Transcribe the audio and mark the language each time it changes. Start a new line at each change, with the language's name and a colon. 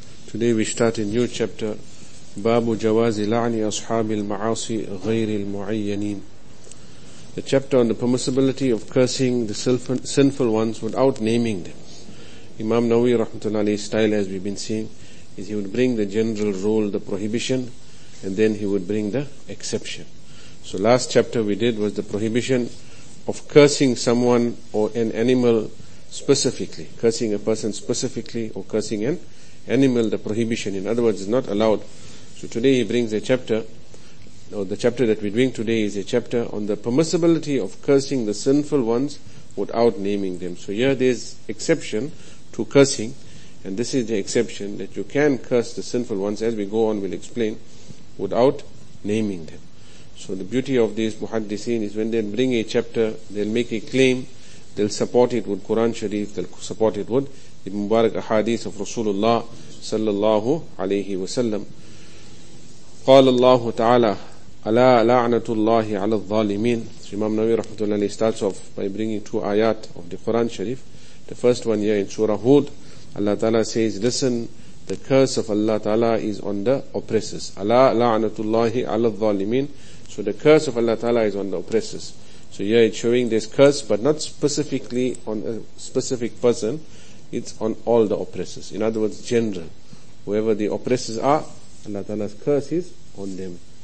English: Today we start a new chapter,
Arabic: باب جواز لعن أصحاب المعاصي غير المعينين.
English: The chapter on the permissibility of cursing the sinful ones without naming them. Imam Nawawi rahmatullahi's style, as we've been seeing, is he would bring the general rule, the prohibition, and then he would bring the exception. So last chapter we did was the prohibition of cursing someone or an animal specifically, cursing a person specifically or cursing an animal, the prohibition, in other words, is not allowed. So today he brings a chapter, or the chapter that we're doing today is a chapter on the permissibility of cursing the sinful ones without naming them. So here there's exception to cursing, and this is the exception, that you can curse the sinful ones, as we go on we'll explain, without naming them. So the beauty of these muhaddithin is when they bring a chapter, they'll make a claim, they'll support it with Quran Sharif, they'll support it with the Mubarak Ahadith of Rasulullah sallallahu alayhi wa sallam.
Arabic: قال الله تعالى ألا لعنة الله على الظالمين.
English: So Imam Nawawi rahmatullahi starts off by bringing two ayat of the Quran Sharif. The first one here in Surah Hud, Allah Ta'ala says, listen, the curse of Allah Ta'ala is on the oppressors.
Arabic: ألا لعنة الله على الظالمين.
English: So the curse of Allah Ta'ala is on the oppressors. So here it's showing this curse, but not specifically on a specific person. It's on all the oppressors. In other words, general. Whoever the oppressors are, Allah Ta'ala's curse is on them.